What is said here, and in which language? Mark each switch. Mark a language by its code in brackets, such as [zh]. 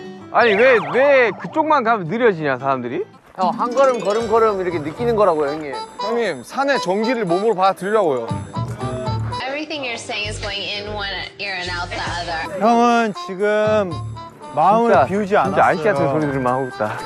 [ko] 아니 왜 그쪽만 가면 느려지냐 사람들이? 형, 한 걸음 걸음 걸음 이렇게 느끼는 거라고요, 형님. 형님, 산의 전기를 몸으로 받아들이라고요. [en] Everything you're saying is going in one ear and out the other. [ko] 형은 지금 마음을 진짜, 비우지 않았어요. 진짜 아이씨 같은 소리들만 하고 있다.